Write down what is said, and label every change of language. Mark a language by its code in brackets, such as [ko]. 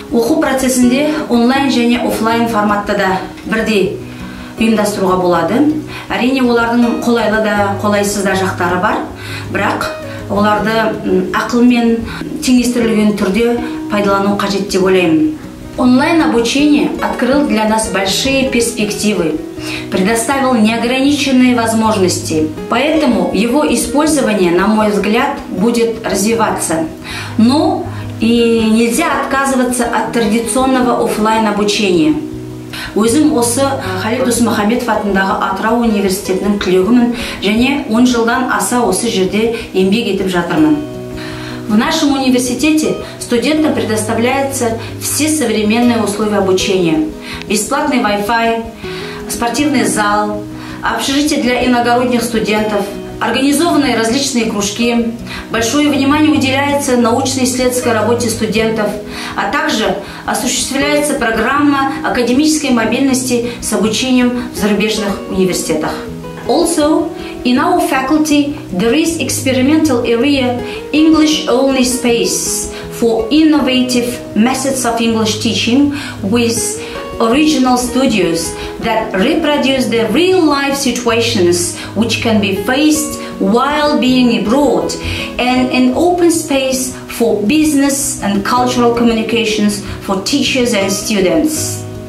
[kk] Оқу процесінде онлайн және офлайн форматта да бірдей ұйымдастыруға болады. Әрине, олардың қолайлы да, қолайсыз да жақтары бар, бірақ оларды ақылмен теңестірілген түрде пайдалану қажет деп ойлаймын. [ru] Онлайн обучение открыл для нас большие перспективы, предоставил неограниченные возможности. Поэтому его использование, на мой взгляд, будет развиваться. Но и нельзя отказываться от традиционного офлайн обучения. [kk] Өзім осы Халид Досмұхамбетов атындағы Атырау университетінің түлегімін және 10 жылдан аса осы жерде еңбек етіп жатырмын. [ru] В нашем университете студентам предоставляются все современные условия обучения. Бесплатный Wi-Fi, спортивный зал, общежитие для иногородних студентов, организованные различные кружки. Большое внимание уделяется научно-исследовательской работе студентов, а также осуществляется программа академической мобильности с обучением в зарубежных университетах. [en] Also, in our faculty, there is experimental area, English-only space for innovative methods of English teaching with original studios that reproduce the real-life situations which can be faced while being abroad, and an open space for business and cultural communications for teachers and students.